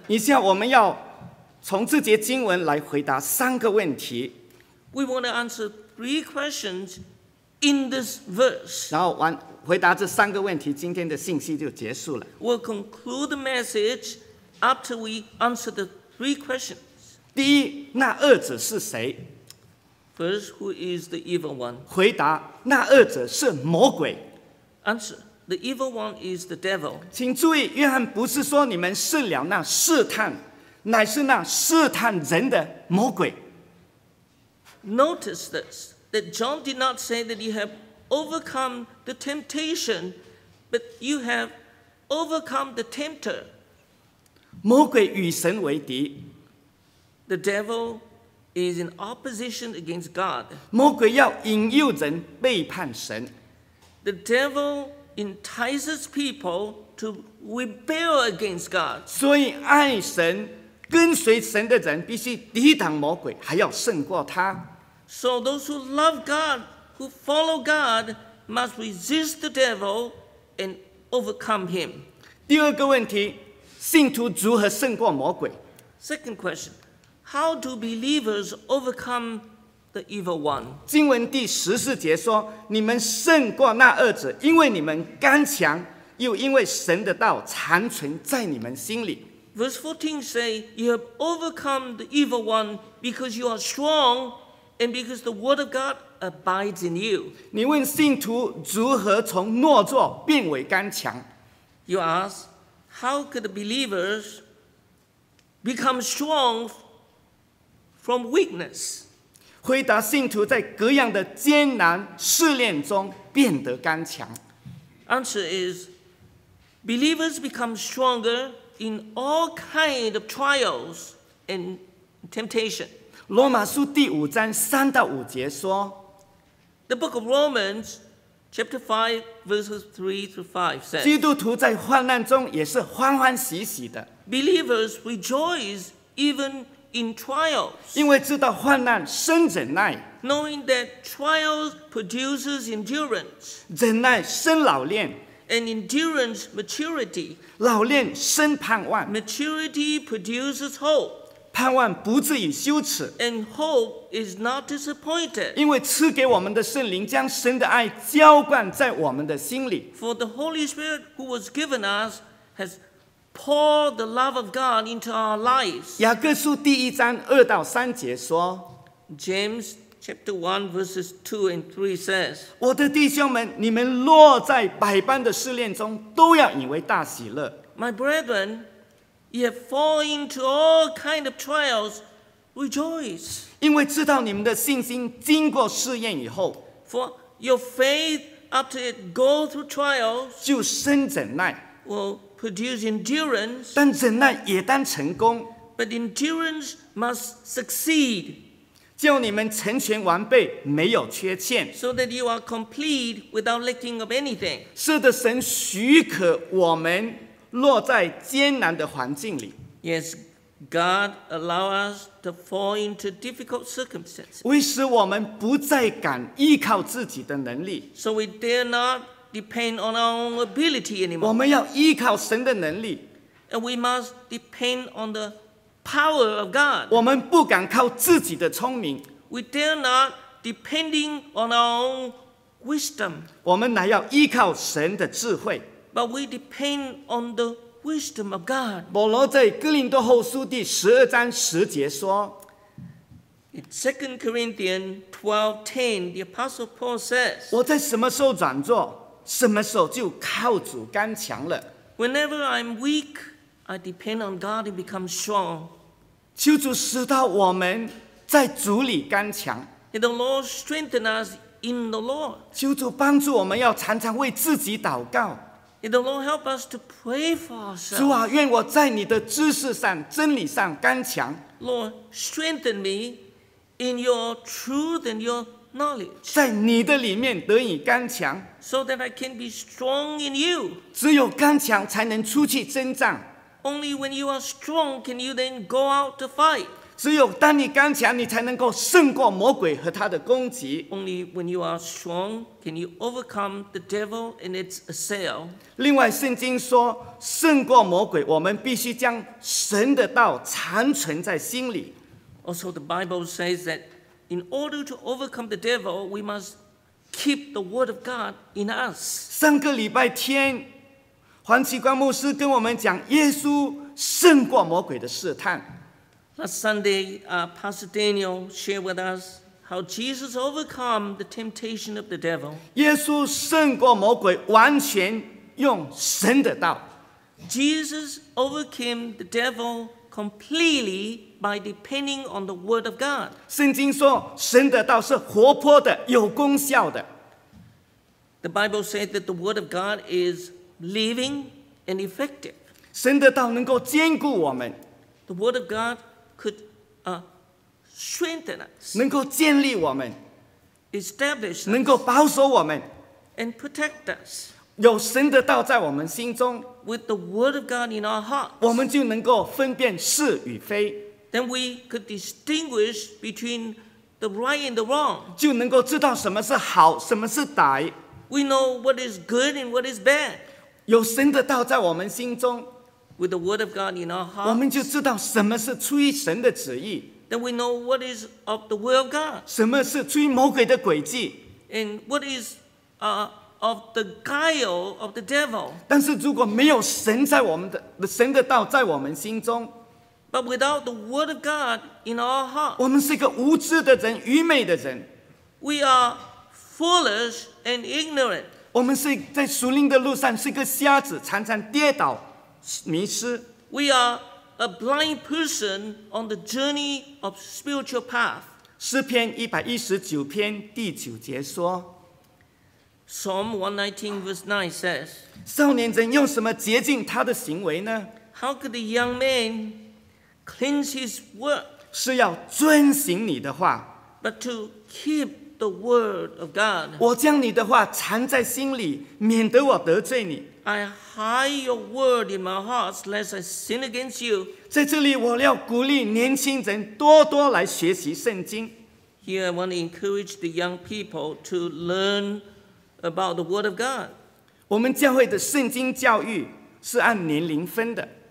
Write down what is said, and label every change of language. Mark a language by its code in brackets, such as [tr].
[zh] 以下我们要从这节经文来回答三个问题。 [en] We want to answer three questions. In this verse, [zh] 然后完回答这三个问题，今天的信息就结束了。 [en] We'll conclude the message after we answer the three questions. [zh] 第一，那恶者是谁 [en] ？First, who is the evil one? [zh] 回答，那恶者是魔鬼。 [en] Answer: The evil one is the devil. [zh] 请注意，约翰不是说你们胜了那试探，乃是那试探人的魔鬼。 [en] Notice this. That John did not say that you have overcome the temptation, but you have overcome the tempter. [zh] 魔鬼与神为敌。 [en] The devil is in opposition against God. [zh] 魔鬼要引诱人背叛神。 [en] The devil entices people to rebel against God. [zh] 所以爱神、跟随神的人必须抵挡魔鬼，还要胜过他。 [en] So those who love God, who follow God, must resist the devil and overcome him. [zh] 第二个问题，信徒如何胜过魔鬼？ [en] Second question, how do believers overcome the evil one. [zh] 经文第十四节说，你们胜过那恶者，因为你们刚强，又因为神的道长存在你们心里。 [en] Verse 14 say, you have overcome the evil one because you are strong and because the word of God abides in you. [zh] 你问信徒如何从懦弱变为刚强？ [en] You ask, how could the believers become strong from weakness? [zh] 回答信徒在各样的艰难试炼中变得刚强。 [en] Answer is, believers become stronger in all kind of trials and temptation. [zh] 罗马书第五章三到五节说， [en] The book of Romans, chapter 5, verses 3 to 5 says, [zh] 基督徒在患难中也是欢欢喜喜的。 [en] Believers rejoice even in trials. [zh] 因为知道患难生忍耐。 [en] Knowing that trials produces endurance. [zh] 忍耐生老练。 [en] And endurance, maturity. [zh] 老练生盼望。 [en] Maturity produces hope. [zh] 盼望不至于羞耻。 [en] And hope is not disappointed. [zh] 因为赐给我们的圣灵将神的爱浇灌在我们的心里。 [en] For the Holy Spirit who was given us has poured the love of God into our lives. [zh] 雅各书第一章二到三节说， [en] James Chapter 1, verses 2 and 3 says, [zh] 我的弟兄们，你们落在百般的试炼中，都要以为大喜乐。 [en] My brethren, you have fallen into all kinds of trials, rejoice. [zh] 因为知道你们的信心经过试验以后， [en] For your faith after it goes through trials, [zh] 就生忍耐， [en] will produce endurance. [zh] 但忍耐也当成功， [en] But endurance must succeed. [zh] 叫你们成全完备，没有缺欠。 [en] So that you are complete without lacking of anything. [zh] 是的，神许可我们落在艰难的环境里。 [en] Yes, God allow us to fall into difficult circumstances. [zh] 为使我们不再敢依靠自己的能力。 [en] So we dare not depend on our own ability anymore. [zh] 我们要依靠神的能力。 [en] And we must depend on the power of God. [zh] 我们不敢靠自己的聪明。 [en] We dare not depending on our own wisdom. [zh] 我们乃要依靠神的智慧。 [en] But we depend on the wisdom of God. [zh] 保罗在哥林多后书第十二章十节说， [en] In 2 Corinthians 12:10, the Apostle Paul says, [zh] 我在什么时候软弱，什么时候就靠主刚强了。 [en] Whenever I'm weak,I depend on God and become strong. [zh] 求主使到我们在主里刚强。 [en] And the Lord strengthen us in the Lord. [zh] 求主帮助我们要常常为自己祷告。 [en] And the Lord help us to pray for ourselves. [zh] 主啊，愿我在你的知识上、真理上刚强。 [en] Lord, strengthen me in your truth and your knowledge. [zh] 在你的里面得以刚强。 [en] So that I can be strong in you. [zh] 只有刚强才能出去征战。 [en] Only when you are strong can you then go out to fight. [zh] 只有当你刚强，你才能够胜过魔鬼和他的攻击。 [en] Only when you are strong can you overcome the devil and its assail. [zh] 另外，圣经说，胜过魔鬼，我们必须将神的道长存在心里。 [en] Also, the Bible says that in order to overcome the devil, we must keep the word of God in us. [zh] 上个礼拜天，黄启光牧师跟我们讲耶稣胜过魔鬼的试探。 [en] Last Sunday, Pastor Daniel shared with us how Jesus overcome the temptation of the devil. [zh] 耶稣胜过魔鬼，完全用神的道。 [en] Jesus overcame the devil completely by depending on the word of God. [zh] 圣经说，神的道是活泼的，有功效的。 [en] The Bible said that the word of God is living and effective. [zh] 神的道能够坚固我们。 [en] The word of God could strengthen us. [zh] 能够建立我们。 [en] Establish us. [zh] 能够保守我们。 [en] And protect us. [zh] 有神的道在我们心中。 [en] With the word of God in our hearts. [zh] 我们就能够分辨是与非。 [en] Then we could distinguish between the right and the wrong. [zh] 就能够知道什么是好，什么是歹。 [en] We know what is good and what is bad. [zh] 有神的道在我们心中， [en] With the word of God in our hearts, [zh] 我们就知道什么是出于神的旨意， [en] Then we know what is of the will of God. [zh] 什么是追魔鬼的诡计？ [en] And what is of the guile of the devil? [zh] 但是如果没有神在我们的神的道在我们心中， [en] But without the word of God in our heart, [zh] 我们是一个无知的人，愚昧的人。 [en] We are foolish and ignorant. [zh] 我们是在属灵的路上是个瞎子，常常跌倒，迷失。 [en] We are a blind person on the journey of spiritual path. [zh] 诗篇119篇第九节说， [en] Psalm 119 verse 9 says, [zh] 少年人用什么洁净他的行为呢？ [en] How could the young man cleanse his work? [zh] 是要遵行你的话， [en] But to keep the word of God. [zh] 我将你的话藏在心里，免得我得罪你。 [en] I hide your word in my heart, lest I sin against you. [zh] 在这里，我要鼓励年轻人多多来学习圣经。 [en] Here I want to encourage the young people to learn about the word of God. [zh] 我们教会的圣经教育是按年龄分的。